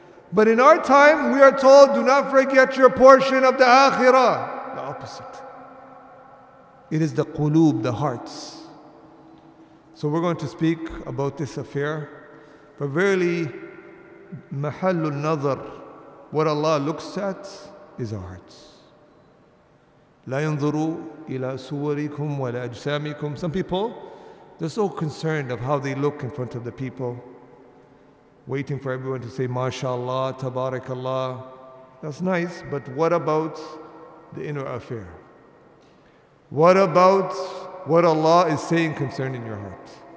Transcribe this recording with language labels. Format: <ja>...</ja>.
<en>But in our time, we are told, do not forget your portion of the Akhirah. The opposite. It is the qulub, the hearts. So we're going to speak about this affair. But verily,</en> <ar>mahallu nazar,</ar> <en>what Allah looks at is our hearts.</en> <ar>لا ينظروا إلى صوركم ولا أجسامكم.</ar> <en>Some people, they're so concerned of how they look in front of the people, waiting for everyone to say, MashaAllah, Tabarakallah. That's nice, but what about the inner affair? What about what Allah is saying concerning your heart?</en>